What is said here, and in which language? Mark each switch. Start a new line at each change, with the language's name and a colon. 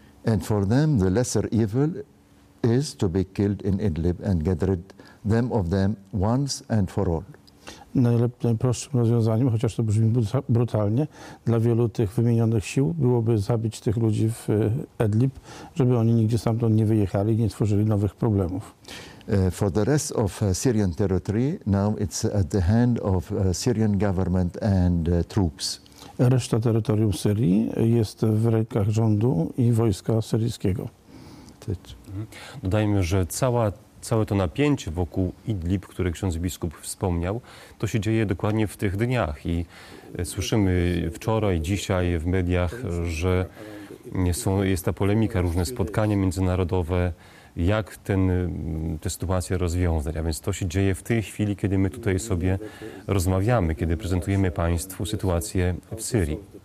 English: And for them the lesser evil is to be killed in Idlib and get rid them of them once and for all.
Polish: Najlepszym rozwiązaniem, chociaż to brzmi brutalnie, dla wielu tych wymienionych sił byłoby zabić tych ludzi w Idlib, żeby oni nigdzie stamtąd nie wyjechali i nie tworzyli nowych problemów.
English: For the rest of Syrian territory, now it's at the hand of Syrian government and troops.
Polish: Reszta terytorium Syrii jest w rękach rządu i wojska syryjskiego. Dodajmy, że całe to napięcie wokół Idlib, które ksiądz biskup wspomniał, to się dzieje dokładnie w tych dniach. I słyszymy wczoraj, dzisiaj w mediach, że jest ta polemika, różne spotkania międzynarodowe, jak tę sytuację rozwiązać. A więc to się dzieje w tej chwili, kiedy my tutaj sobie rozmawiamy, kiedy prezentujemy Państwu sytuację w Syrii.